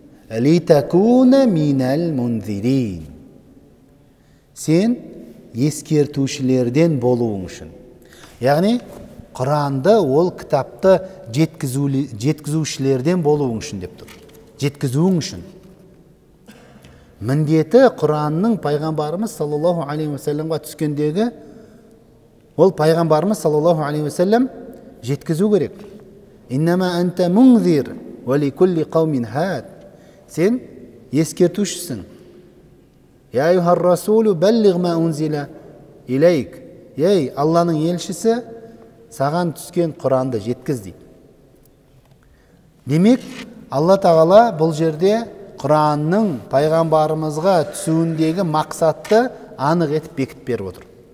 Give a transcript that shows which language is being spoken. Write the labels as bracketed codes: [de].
[ar] Литакуна минал мунзирин. [kk] Сен ескертушілерден болуың үшін. Яғни, Құранды, ол кітапты жеткізушілерден болуың үшін деп тұр. Жеткізуің үшін. Міндеті Құранның пайғамбарымыз саллаллаху алейхи уассаламға түскендегі ол пайғамбарымыз саллаллаху алейхи уассалам жеткізу керек. [ar] Иннама анта мунзир ва ли кулли қаумин хад. [kk] Сен ескертушісің. [ar] Я айюхар расулу баллигъ ма унзила илайк. [kk] Ей, Алланың елшісі, саған түскен Құранды жеткіз дейді. Демек, Алла Тағала бұл жерде Құранның пайғамбарымызға түсуіндегі мақсатты анық етіп бекітіп беріп отыр.